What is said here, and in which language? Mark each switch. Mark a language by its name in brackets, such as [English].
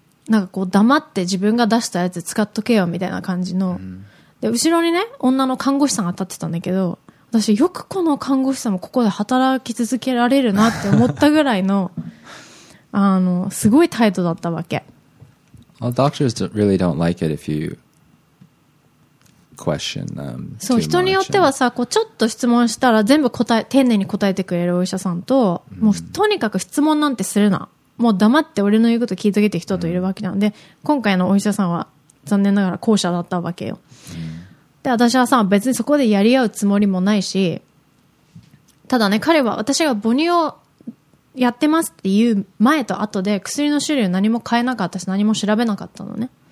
[Japanese] なんかこう黙って自分が出したやつ使っとけよみたいな感じの、で後ろにね女の看護師さんが立ってたんだけど、私よくこの看護師さんもここで働き続けられるなって思ったぐらいのあのすごい態度だったわけ。 [English] Well, doctors really don't like it if you question them too much. [Japanese] そう、人によってはさ、こうちょっと質問したら全部答え丁寧に答えてくれるお医者さんと、もうとにかく質問なんてするな、もう黙って俺の言うこと聞いとけって人といるわけなんで、今回のお医者さんは残念ながら後者だったわけよ。で、私はさ、別にそこでやり合うつもりもないし、ただね、彼は私が母乳をやってますって言う前と後で薬の種類を何も変えなかったし、何も調べなかったのね。